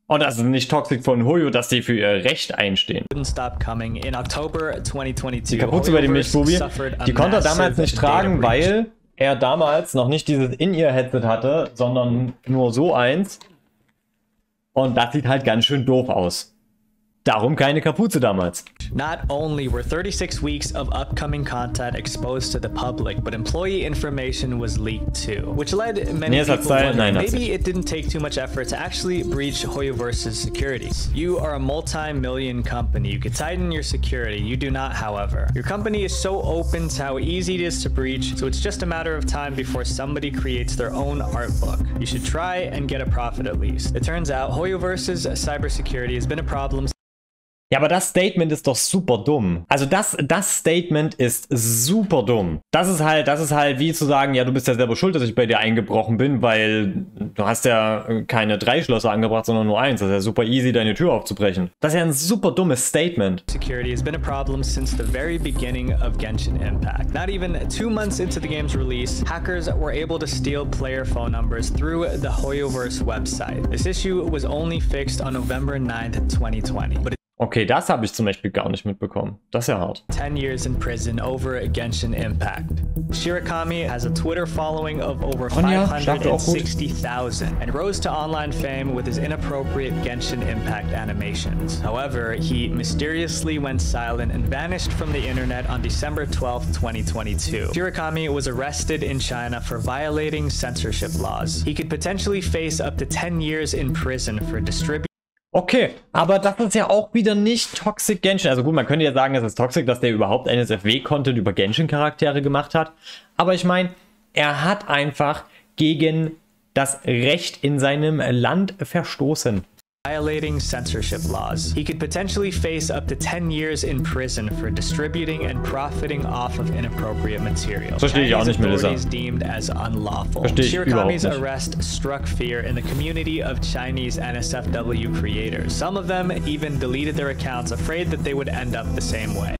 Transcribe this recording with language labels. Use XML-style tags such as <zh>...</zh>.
<de>Und das ist nicht toxic von HoYo, dass sie für ihr Recht einstehen.</de> <en>Stop coming. In October 2022,</en> <de>die Kapuze HoYoverse bei dem Milchbubi, die konnte er damals nicht tragen, weil er damals noch nicht dieses In-Ear-Headset hatte, sondern nur so eins. Und das sieht halt ganz schön doof aus. Darum keine Kapuze damals.</de> <en>Not only were 36 weeks of upcoming content exposed to the public, but employee information was leaked too, which led many it didn't take too much effort to actually breach HoYoverse's security. You are a multi-million company. You could tighten your security. You do not, however. Your company is so open to how easy it is to breach, so it's just a matter of time before somebody creates their own art book. You should try and get a profit at least. It turns out HoYoverse's cybersecurity has been a problem.</en> <de>Ja, aber das Statement ist doch super dumm. Also das Statement ist super dumm. Das ist halt wie zu sagen, ja, du bist ja selber schuld, dass ich bei dir eingebrochen bin, weil du hast ja keine drei Schlösser angebracht, sondern nur eins. Das ist ja super easy, deine Tür aufzubrechen. Das ist ja ein super dummes Statement.</de> <en>Security has been a problem since the very beginning of Genshin Impact. Not even 2 months into the game's release, hackers were able to steal player phone numbers through the HoYoverse website. This issue was only fixed on November 9th, 2020. But okay,</en> <de>das habe ich zum Beispiel gar nicht mitbekommen. Das ist ja hart.</de> <en>10 years in prison over Genshin Impact. Shirakami has a Twitter following of over 560,000 and rose to online fame with his inappropriate Genshin Impact animations. However, he mysteriously went silent and vanished from the internet on December 12, 2022. Shirakami was arrested in China for violating censorship laws. He could potentially face up to 10 years in prison for distributing.</en> <de>Okay, aber das ist ja auch wieder nicht Toxic Genshin. Also gut, man könnte ja sagen, es ist toxic, dass der überhaupt NSFW-Content über Genshin-Charaktere gemacht hat. Aber ich meine, er hat einfach gegen das Recht in seinem Land verstoßen.</de> <en>Violating censorship laws. He could potentially face up to 10 years in prison for distributing and profiting off of inappropriate material.</en> <de>Verstehe ich auch nicht, Melissa.</de> <en>Deemed as unlawful.</en> <de>Verstehe ich überhaupt nicht.</de> <en>Shirakami's arrest struck fear in the community of Chinese NSFW creators. Some of them even deleted their accounts, afraid that they would end up the same way.</en>